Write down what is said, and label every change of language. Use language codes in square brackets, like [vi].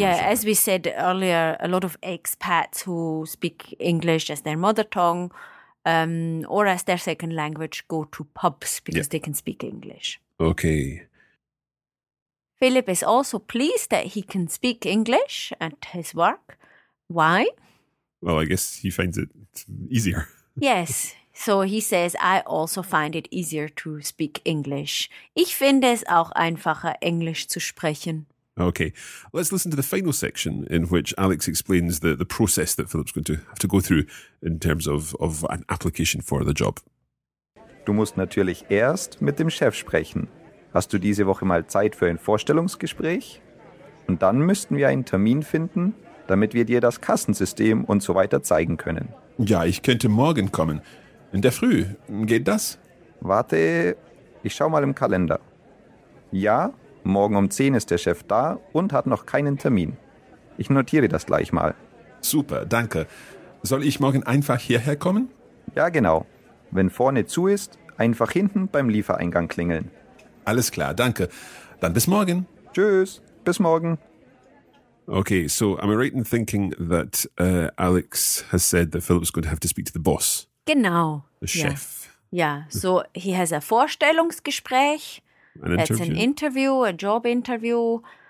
[en] Yeah, as we said earlier, a lot of expats who speak English as their mother tongue or as their second language go to pubs because they can speak English. Okay. Philipp is also pleased that he can speak English at his work. Why? Well, I guess he finds it easier. Yes. So he says, I also find it easier to speak English. [de] Ich finde es auch einfacher, Englisch zu sprechen. [en] Okay, let's listen to the final section in which Alex explains the process that Philipp's going to have to go through in terms of an application for the job. [de] Du musst natürlich erst mit dem Chef sprechen. Hast du diese Woche mal Zeit für ein Vorstellungsgespräch? Und dann müssten wir einen Termin finden, damit wir dir das Kassensystem und so weiter zeigen können. Ja, ich könnte morgen kommen. In der Früh. Geht das? Warte, ich schau mal im Kalender. Ja, morgen um 10 ist der Chef da und hat noch keinen Termin. Ich notiere das gleich mal. Super, danke. Soll ich morgen einfach hierher kommen? Ja, genau. Wenn vorne zu ist, einfach hinten beim Liefereingang klingeln. Alles klar, danke. Dann bis morgen. Tschüss, bis morgen. [en] Okay, so am I right in thinking that Alex has said that Philip's going to have to speak to the boss? [de] Genau. [en] The chef. Yeah, so he has a Vorstellungsgespräch. An interview, a job interview.